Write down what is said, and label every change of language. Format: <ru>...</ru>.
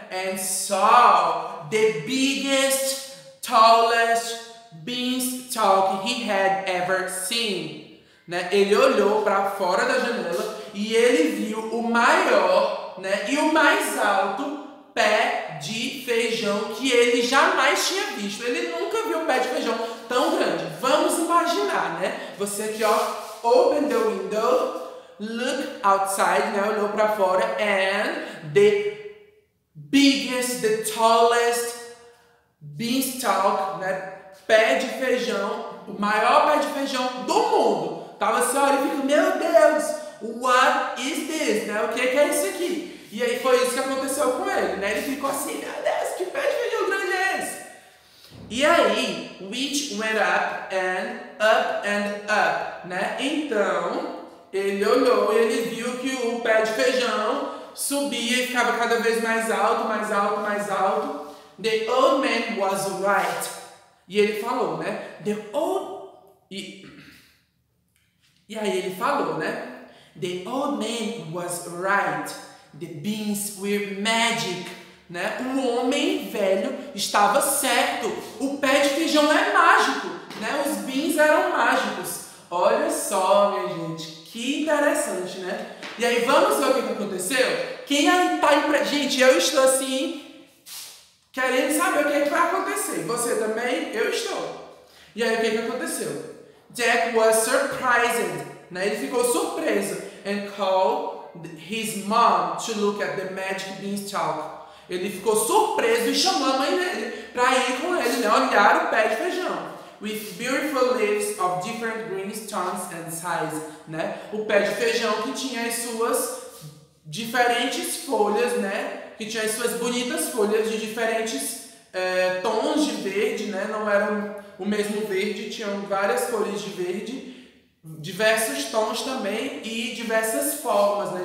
<en>And saw the biggest, tallest beanstalk he had ever seen.</en> <pt>Né? Ele olhou para fora da janela e ele viu o maior, né, e o mais alto pé de feijão que ele jamais tinha visto. Ele nunca viu um pé de feijão tão grande. Vamos imaginar, né? Você aqui, ó,</pt> <en>open the window, look outside,</en> <pt>né? Olhou para fora,</pt> <en>and the biggest, the tallest beanstalk, né?</en> <pt>Pé de feijão, o maior pé de feijão do mundo. Tava assim, olha, e fica, meu Deus,</pt> <en>what is this?</en> <pt>Né? O que é isso aqui? E aí foi isso que aconteceu com ele, né? Ele ficou assim, meu Deus, que pé de feijão grande é esse? E aí,</pt> <en>which went up, and up, né?</en> <pt>Então, ele olhou e ele viu que o pé de feijão subia e ficava cada vez mais alto, mais alto, mais alto.</pt> <en>The old man was right.</en> <pt>E ele falou, né?</pt> <en>The old...</en> <pt>E aí ele falou, né?</pt> <en>The old man was right. The beans were magic, né?</en> <pt>O homem velho estava certo. O pé de feijão é mágico, né? Os beans eram mágicos. Olha só, minha gente, que interessante, né? E aí vamos ver o que aconteceu? Quem aí tá aí pra... Gente, eu estou assim, querendo saber o que, é que vai acontecer. Você também? Eu estou. E aí o que, é que aconteceu?</pt> <en>Jack was surprised,</en> <pt>né? Ele ficou surpreso.</pt> <en>And called his mom to look at the magic beanstalk.</en> <pt>Ele ficou surpreso e chamou a mãe dele para ir com ele, né? Olhar o pé de feijão.</pt> <en>With beautiful leaves of different green tones and size, né?</en> <pt>O pé de feijão que tinha as suas diferentes folhas, né? Que tinha as suas bonitas folhas de diferentes tons de verde, né? Não eram o mesmo verde, tinham várias cores de verde, diversos tons também e diversas formas, né?</pt>